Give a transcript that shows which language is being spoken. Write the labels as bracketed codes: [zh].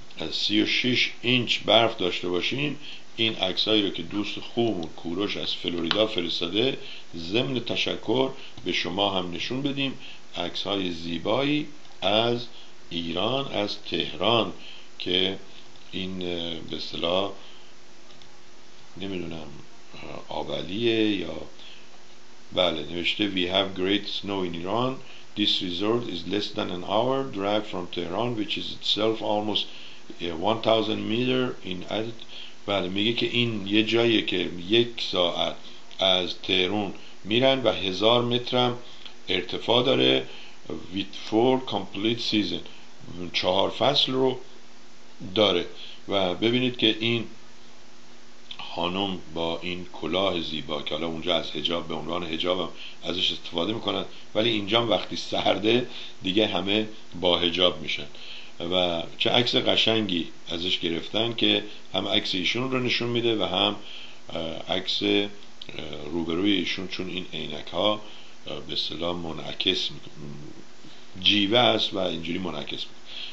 [fa] 36 اینچ برف داشته باشیم، این عکسایی رو که دوست خوب کوروش از فلوریدا فرستاده ضمن تشکر به شما هم نشون بدیم، عکسای زیبایی از ایران، از تهران، که این به اصطلاح نمیدونم آبلیه یا بله، نوشته [en] We have great snow in Iran. This resort is less than an hour drive from Tehran, which is itself almost 1000 meter in altitude. [fa] بله، میگه که این یه جاییه که یک ساعت از تهران میرن و 1000 متر هم ارتفاع داره. [en] With four complete season، 4 [fa] فصل رو داره. و ببینید که این خانم با این کلاه زیبا که حالا اونجا از حجاب به عنوان حجابم ازش استفاده میکنن، ولی اینجا وقتی سرده دیگه همه با حجاب میشن، و چه عکس قشنگی ازش گرفتن که هم عکس ایشون رو نشون میده و هم عکس روبروی ایشون، چون این عینک ها به اصطلاح منعکس جیوه است و اینجوری منعکس میکنه.